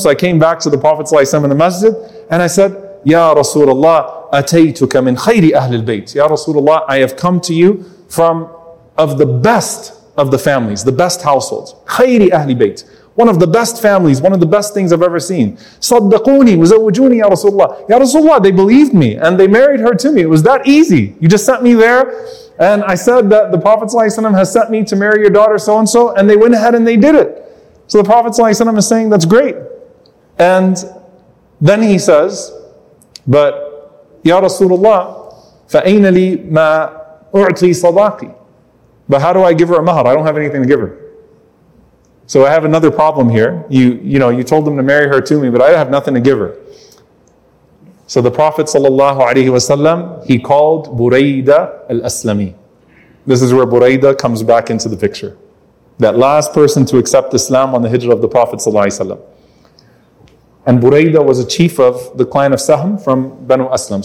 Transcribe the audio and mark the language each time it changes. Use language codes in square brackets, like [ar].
[en] So I came back to the Prophet ﷺ in the masjid and I said, [ar] يَا رَسُولَ اللَّهِ أَتَيْتُكَ مِنْ خَيْرِ أَهْلِ الْبَيْتِ. يَا رَسُولَ اللَّهِ, [en] I have come to you from of the best of the families, the best households. [ar] خَيْرِ أَهْلِ الْبَيْتِ. [en] One of the best families, one of the best things I've ever seen. [ar] صدقوني وزوجوني يا رسول الله. يا رسول الله, [en] they believed me and they married her to me. It was that easy. You just sent me there and I said that the Prophet ﷺ has sent me to marry your daughter so-and-so, and they went ahead and they did it. So the Prophet ﷺ is saying, that's great. And then he says, but [ar] يا رسول الله فأين لي ما أعطي صداقي. [en] But how do I give her a mahar? I don't have anything to give her. So I have another problem here. You told them to marry her to me, but I have nothing to give her. So the Prophet ﷺ, he called Buraida al-Aslami. This is where Buraida comes back into the picture. That last person to accept Islam on the hijrah of the Prophet ﷺ. And Buraida was a chief of the clan of Sahm from Banu Aslam.